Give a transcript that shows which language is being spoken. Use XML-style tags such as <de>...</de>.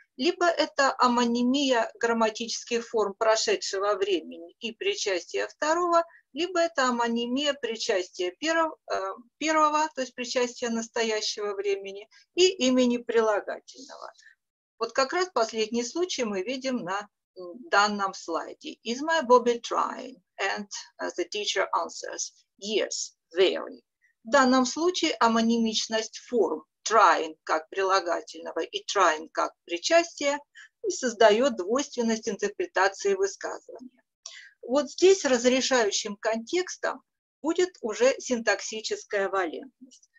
<ru>Либо это амонимия грамматических форм прошедшего времени и причастия второго, либо это амонимия причастия первого, то есть причастия настоящего времени и имени прилагательного. Вот как раз последний случай мы видим на данном слайде.</ru> <en>Is my Bobby trying? And the teacher answers, yes, very.</en> <ru>В данном случае амонимичность форм trying как прилагательного и trying как причастие и создает двойственность интерпретации высказывания. Вот здесь разрешающим контекстом будет уже синтаксическая валентность.</ru>